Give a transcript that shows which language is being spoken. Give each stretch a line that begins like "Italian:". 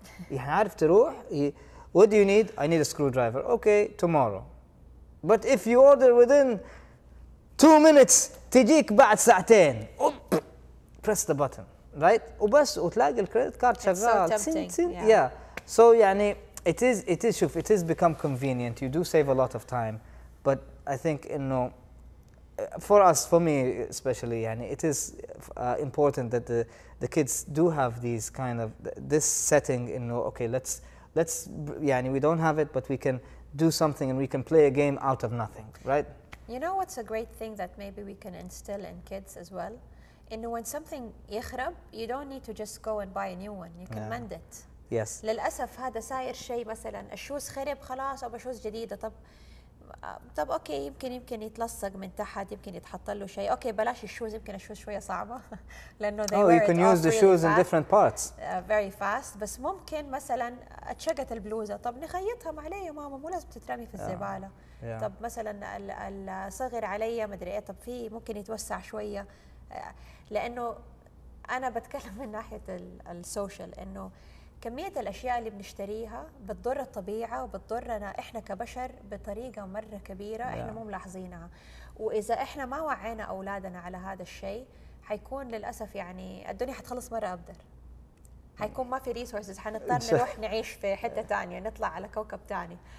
Arabic: يعني عارف تروح.
English: What do you need? I need a screwdriver. Okay, tomorrow. But if you order within 2 minutes,
Arabic: تجيك بعد ساعتين.
English: Press the button, right?
Arabic: وبس وتلاقي الكريدت كارد شغال.
English: It's so tempting. So يعني it is. شوف, it is become convenient. You do save a lot of time, but I think إنه for us, for me especially, يعني it is important that the kids do have these kind of this setting. إنه okay, let's يعني we don't have it, but we can do something and we can play a game out of nothing, right? You know what's a great thing that maybe we can instill in kids as well? And when something يخرب, you don't need to just go and buy a new one. You can mend it. Yes.
Arabic: للأسف هذا ساير شيء مثلاً الشوز خرب خلاص أو بشوز جديدة. طب أوكي يمكن يتلصق من تحت, يمكن يتحط له شيء. أوكي بلاش الشوز, يمكن الشوز شوية صعبة. لأنه
English: they wear it. Oh, you can use the shoes in different parts. Very fast.
Arabic: بس ممكن مثلاً اتشقت البلوزة. طب نخيطها معلي يا ماما, مو لازم تترمي في الزبالة. طب مثلاً الصغير علي ما أدري إيه, طب فيه ممكن يتوسع شوية. لأنه أنا بتكلم من ناحية السوشيال, إنه كمية الأشياء اللي بنشتريها بتضر الطبيعة وبتضرنا إحنا كبشر بطريقة مرة كبيرة إحنا مو ملاحظينها, وإذا إحنا ما وعينا أولادنا على هذا الشيء حيكون للأسف يعني الدنيا حتخلص مرة أبدر, حيكون ما في ريسورسز, حنضطر نروح نعيش في حتة تانية, نطلع على كوكب تاني.